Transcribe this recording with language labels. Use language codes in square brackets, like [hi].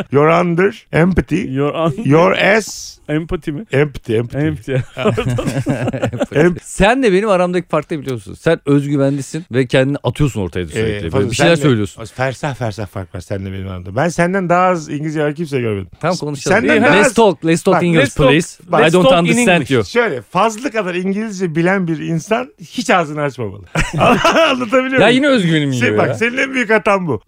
[en] You're under empathy. Your ass. [tr] Empathy mi? [en] Empathy. [tr] Sen de benim aramdaki farkı biliyorsun. Sen özgüvenlisin ve kendini atıyorsun ortaya da sürekli. Böyle bir şeyler de, söylüyorsun. Fersah fark var senle benim aramda. Ben senden daha az İngilizce var kimse görmedim. Tamam konuşalım. [en] Let's talk English please. [tr] Bak, [en] I don't understand you. [tr] Şöyle fazla kadar İngilizce bilen bir insan hiç ağzını açmamalı. Anlatabiliyor muyum? Ya yine özgüvenim geliyor. Bak senin en büyük hatan bu.